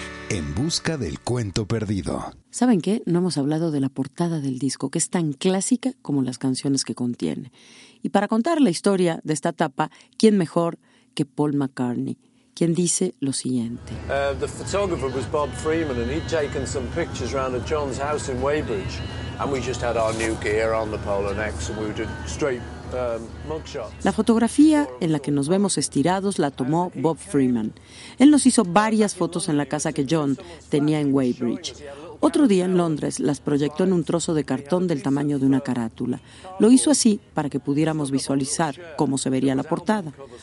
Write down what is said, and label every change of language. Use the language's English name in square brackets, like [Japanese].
[Spanish] En busca del cuento perdido. ¿Saben qué? No hemos hablado de la portada del disco, que es tan clásica como las canciones que contiene. Y para contar la historia de esta tapa, ¿quién mejor que Paul McCartney? Quien dice lo siguiente. [English] The photographer was Bob Freeman and he'd taken some pictures round at John's house in Weybridge and we just had our new gear on the Polo Necks and we were doing straight mugshots. [Spanish] La fotografía en la que nos vemos estirados la tomó Bob Freeman. Él nos hizo varias fotos en la casa que John tenía en Weybridge. Otro día en Londres las proyectó en un trozo de cartón del tamaño de una carátula. Lo hizo así para que pudiéramos visualizar cómo se vería la portada.